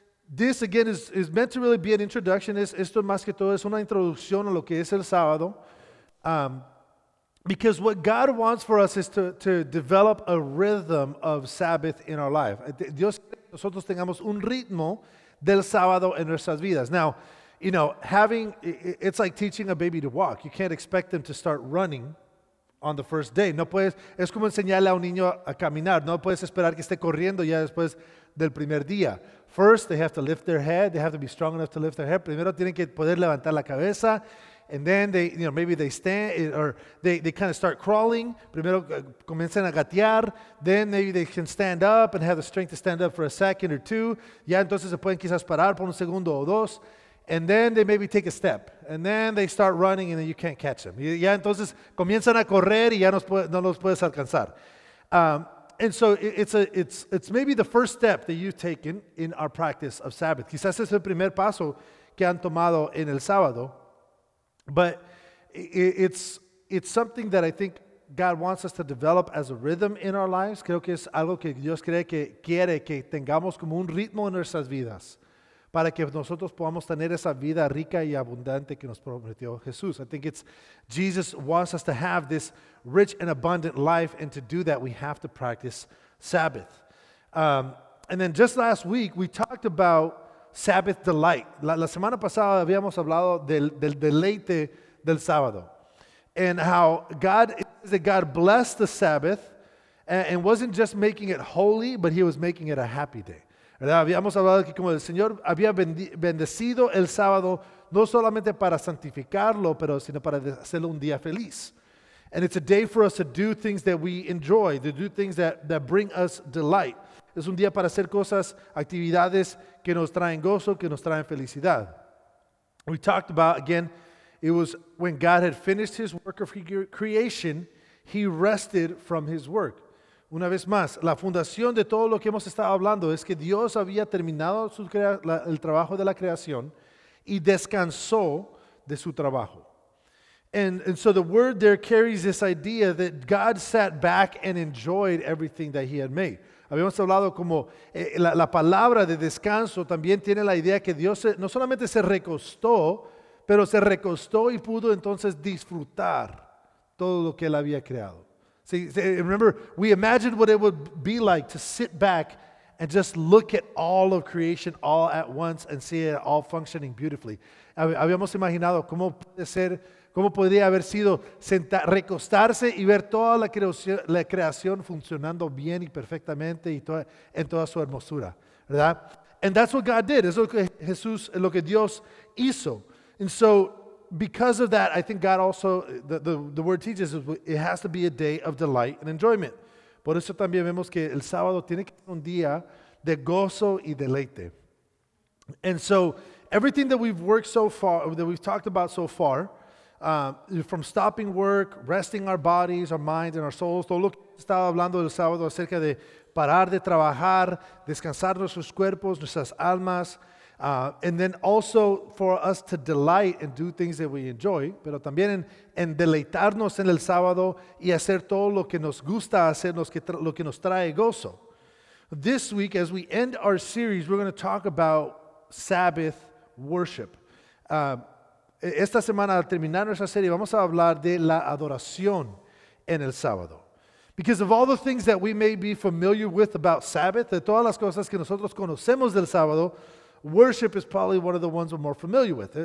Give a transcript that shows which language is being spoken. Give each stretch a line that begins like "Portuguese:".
English: This again is meant to really be an introduction.
Spanish: Esto más que todo es una introducción a lo que es el sábado.
English: Because what God wants for us is to develop a rhythm of Sabbath in our life.
Spanish: Dios quiere que nosotros tengamos un ritmo del sábado en nuestras vidas.
English: Now, you know, it's like teaching a baby to walk. You can't expect them to start running on the first day.
Spanish: No puedes, es como enseñarle a un niño a caminar. No puedes esperar que esté corriendo ya después del primer día.
English: First, they have to lift their head. They have to be strong enough to lift their head.
Spanish: Primero, tienen que poder levantar la cabeza.
English: And then, maybe they stand, or they kind of start crawling.
Spanish: Primero, comienzan a gatear.
English: Then, maybe they can stand up and have the strength to stand up for a second or two.
Spanish: Ya, entonces, se pueden quizás parar por un segundo o dos.
English: And then, they maybe take a step. And then, they start running, and then you can't catch them.
Spanish: Ya, entonces, comienzan a correr y ya no los puedes alcanzar.
English: And so it's maybe the first step that you've taken in our practice of Sabbath.
Spanish: Quizás es el primer paso que han tomado en el sábado,
English: but it's something that I think God wants us to develop as a rhythm in our lives.
Spanish: Creo que es algo que Dios cree que quiere que tengamos como un ritmo en nuestras vidas para que nosotros podamos tener esa vida rica y abundante que nos prometió Jesús.
English: I think it's Jesus wants us to have this rich and abundant life, and to do that we have to practice Sabbath. And then just last week we talked about Sabbath delight.
Spanish: La semana pasada habíamos hablado del deleite del sábado.
English: And how God, that God blessed the Sabbath and wasn't just making it holy, but he was making it a happy day.
Spanish: ¿Verdad? Habíamos hablado que como el Señor había bendecido el sábado, no solamente para santificarlo, pero sino para hacerlo un día feliz.
English: And it's a day for us to do things that we enjoy, to do things that bring us delight.
Spanish: Es un día para hacer cosas, actividades que nos traen gozo, que nos traen felicidad.
English: We talked about, again, it was when God had finished his work of creation, he rested from his work.
Spanish: Una vez más, la fundación de todo lo que hemos estado hablando es que Dios había terminado el trabajo de la creación y descansó de su trabajo.
English: And so the word there carries this idea that God sat back and enjoyed everything that he had made.
Spanish: Habíamos hablado como la palabra de descanso también tiene la idea que Dios no solamente se recostó, pero se recostó y pudo entonces disfrutar todo lo que él había creado.
English: See, remember, we imagined what it would be like to sit back and just look at all of creation all at once and see it all functioning beautifully.
Spanish: Habíamos imaginado cómo podría haber sido recostarse y ver toda la creación funcionando bien y perfectamente y en toda su hermosura, ¿verdad?
English: And that's what God did.
Spanish: Eso es lo que Dios hizo.
English: And so, because of that, I think God also, the word teaches, it has to be a day of delight and enjoyment.
Spanish: Por eso también vemos que el sábado tiene que ser un día de gozo y deleite.
English: And so, everything that we've worked so far, that we've talked about so far, from stopping work, resting our bodies, our minds, and our souls,
Spanish: todo lo que estaba hablando del sábado acerca de parar de trabajar, descansar nuestros cuerpos, nuestras almas,
English: and then also for us to delight and do things that we enjoy,
Spanish: pero también en deleitarnos en el sábado y hacer todo lo que nos gusta hacer, lo que nos trae gozo.
English: This week, as we end our series, we're going to talk about Sabbath worship.
Spanish: Esta semana, al terminar nuestra serie, vamos a hablar de la adoración en el sábado.
English: Because of all the things that we may be familiar with about Sabbath,
Spanish: de todas las cosas que nosotros conocemos del sábado,
English: worship is probably one of the ones we're more familiar with.